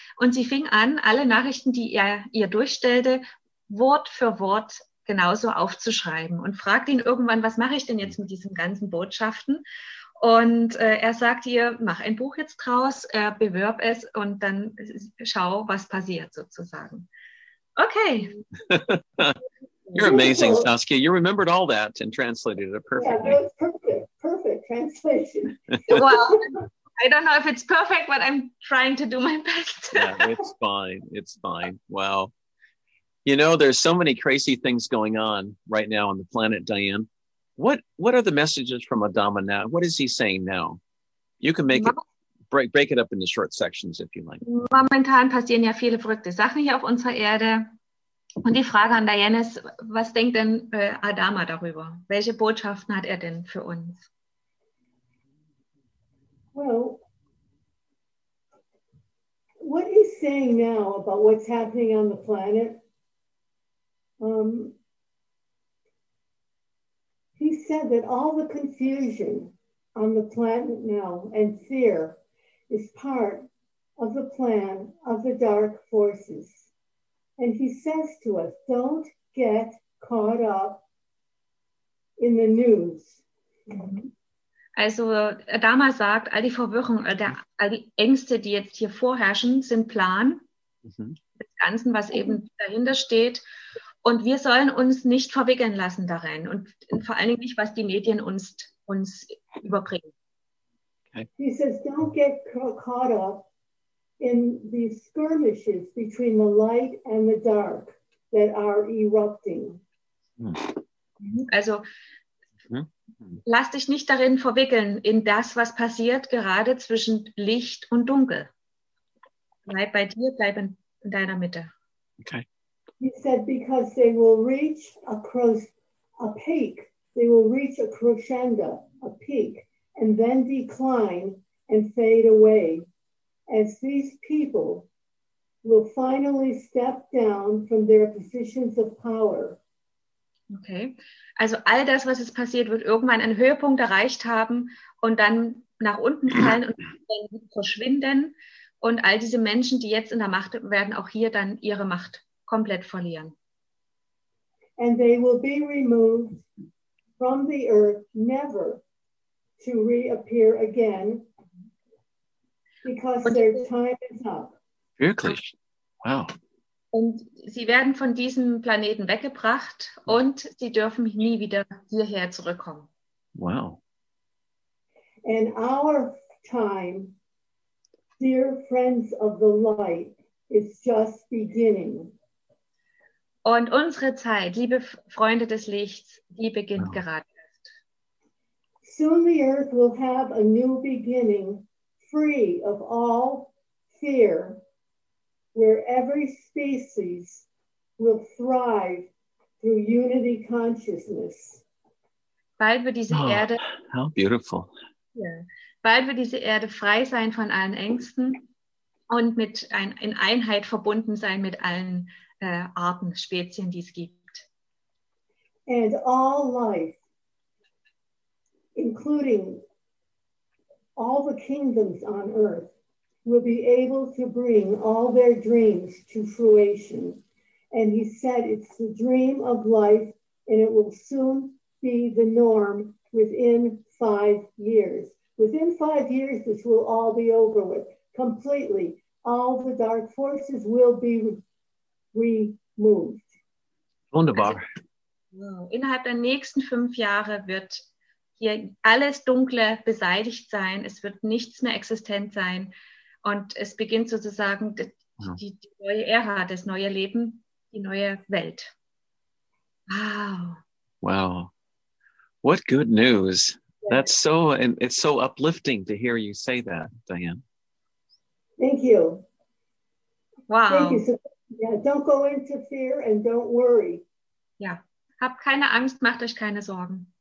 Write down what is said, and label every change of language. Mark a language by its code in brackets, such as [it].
[de] Und sie fing an, alle Nachrichten, die er ihr durchstellte, Wort für Wort genauso aufzuschreiben und fragt ihn irgendwann, was mache ich denn jetzt mit diesen ganzen Botschaften? Und er sagt ihr, mach ein Buch jetzt draus, bewirb es und dann schau, was passiert sozusagen. Okay. [en] You're amazing, Saskia. You remembered all that and translated it perfectly. Yeah, perfect translation. Well, I don't know if it's perfect, but I'm trying to do my best. Yeah, it's fine. It's fine. Wow. You know, there's so many crazy things going on right now on the planet, Diane. What are the messages from Adama now? What is he saying now? You can break it up into short sections if you like. [de] Momentan passieren ja viele verrückte Sachen hier auf unserer Erde. Und die Frage an Diane ist, was denkt denn Adama darüber? Welche Botschaften hat er denn für uns? [en] Well, what he's saying now about what's happening on the planet, he said that all the confusion on the planet now and fear is part of the plan of the dark forces. And he says to us, don't get caught up in the news. [de] Also Adama sagt, all die Verwirrung, all die Ängste, die jetzt hier vorherrschen, sind Plan des Ganzen, was eben dahinter steht. Und wir sollen uns nicht verwickeln lassen darin und vor allen Dingen nicht, was die Medien uns überbringen. Okay. [en] He says, don't get caught up in these skirmishes between the light and the dark. that are erupting. [de] Also, lass dich nicht darin verwickeln, in das, was passiert, gerade zwischen Licht und Dunkel. Bleib bei dir, bleib in deiner Mitte. Okay. [en] He said, because they will reach across a peak, they will reach a crescendo, a peak, and then decline and fade away, as these people will finally step down from their positions of power. [de] Okay, also all das, was jetzt passiert, wird irgendwann einen Höhepunkt erreicht haben und dann nach unten fallen und verschwinden. Und all diese Menschen, die jetzt in der Macht sind, werden auch hier dann ihre Macht komplett verlieren. [en] And they will be removed from the earth, never to reappear again, because their time is up. [de] Wirklich? Wow. Und sie werden von diesem Planeten weggebracht und sie dürfen nie wieder hierher zurückkommen. Wow. [en] And our time, dear friends of the light, is just beginning. [de] Und unsere Zeit, liebe Freunde des Lichts, die beginnt gerade erst. [en] Soon the earth will have a new beginning, free of all fear, where every species will thrive through unity consciousness. [de] Bald wird diese Erde, [en] how beautiful. [de] Bald wird diese Erde frei sein von allen Ängsten und mit in Einheit verbunden sein mit allen Arten, Spezien, die es gibt. [en] And all life, including all the kingdoms on earth, will be able to bring all their dreams to fruition. And he said, it's the dream of life, and it will soon be the norm within 5 years. Within 5 years, this will all be over with, completely. All the dark forces will be removed. [de] Wunderbar. Innerhalb der nächsten 5 Jahre wird hier alles Dunkle beseitigt sein. Es wird nichts mehr existent sein. Und es beginnt sozusagen die neue Ära, das neue Leben, die neue Welt. Wow. [en] Wow. What good news. That's so, and it's so uplifting to hear you say that, Diane. Thank you. Wow. Thank you. Yeah, don't go into fear and don't worry. [de] Ja, hab keine Angst, macht euch keine Sorgen.